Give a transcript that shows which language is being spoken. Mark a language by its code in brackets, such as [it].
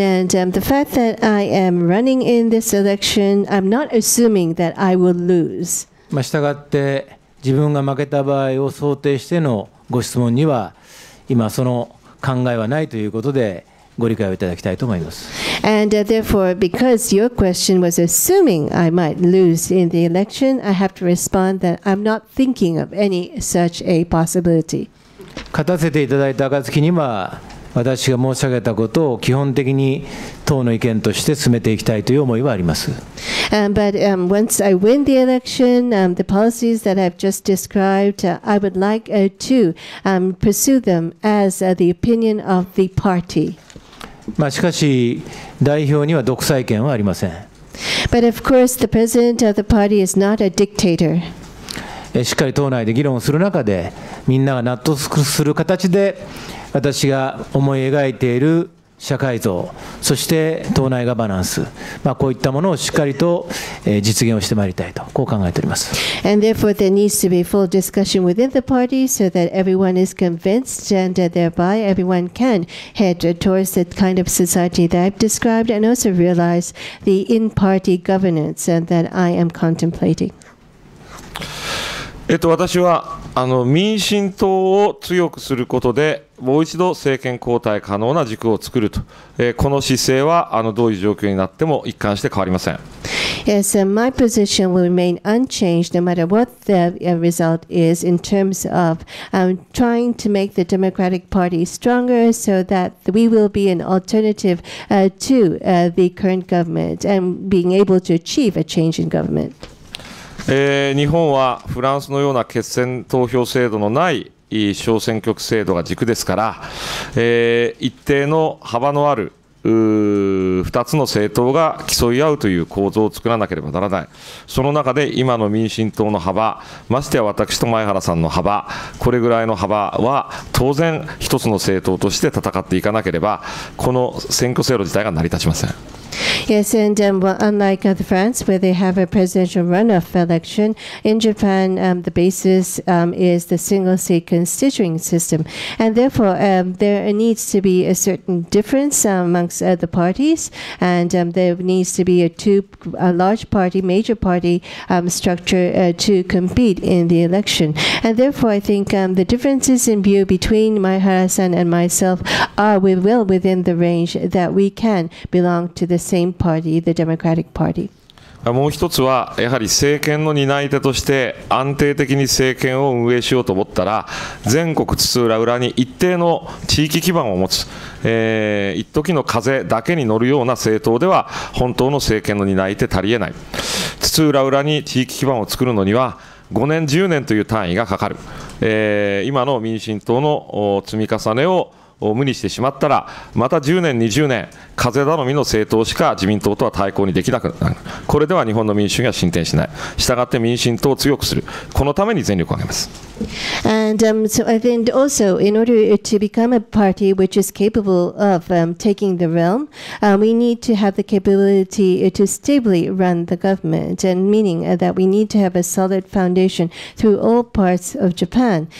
[en] And the fact that I am running in this election, I'm not assuming that I will lose. [ja] したがって、自分が負けた場合を想定してのご質問には、今その考えはないということで、ご理解をいただきたいと思います。 [en] And therefore, because your question was assuming I might lose in the election, I have to respond that I'm not thinking of any such a possibility. [ja] 勝たせていただいた暁には、私が申し上げたことを基本的に党の意見として進めていきたいという思いはあります。 [en] But once I win the election, the policies that I've just described, I would like to pursue them as the opinion of the party. [ja] しかし、代表には独裁権はありません。 [en] But of course, the president of the party is not a dictator. [ja] しっかり党内で議論する中で、みんなが納得する形で、私が思い描いている社会像、そして党内ガバナンス、こういったものをしっかりと実現をしてまいりたいと、こう考えております。 [en] And therefore, there needs to be full discussion within the party so that everyone is convinced and thereby everyone can head towards the kind of society that I've described and also realize the in-party governance that I am contemplating. [ja] 私は民進党を強くすることで、もう一度政権交代可能な軸を作ると、この姿勢はどういう状況になっても一貫して変わりません。 [en] Yes, my position will remain unchanged no matter what the result is in terms of trying to make the Democratic Party stronger so that we will be an alternative to the current government and being able to achieve a change in government. [ja] 日本はフランスのような決選投票制度のない小選挙区制度が軸ですから、一定の幅のある2つの政党が競い合うという構造を作らなければならない。その中で今の民進党の幅、ましてや私と前原さんの幅、これぐらいの幅は当然一つの政党として戦っていかなければ、この選挙制度自体が成り立ちません。 [en] Yes, and unlike France, where they have a presidential runoff election, in Japan, the basis is the single seat constituent system. And therefore, there needs to be a certain difference amongst the parties, and there needs to be a large party, major party structure to compete in the election. And therefore, I think the differences in view between Maihara-san and myself are well within the range that we can belong to the same. Party, the Democratic Party. [ja] もう一つはやはり政権の担い手として安定的に政権を運営しようと思ったら全国津々浦々に一定の地域基盤を持つ、一時の風だけに乗るような政党では本当の政権の担い手足りえない。津々浦々に地域基盤を作るのには5年10年という単位がかかる、今の民進党の積み重ねを無にしてしまったら、また10年、20年、風頼みの政党しか自民党とは対抗にできなくなる。これでは日本の民主主義は進展しない。したがって民進党を強くする。このために全力を挙げます。 [en] And so I think also in order to become a party which is capable of taking the realm, we need to have the capability to stably run the government, and meaning that we need to have a solid foundation through all parts of Japan.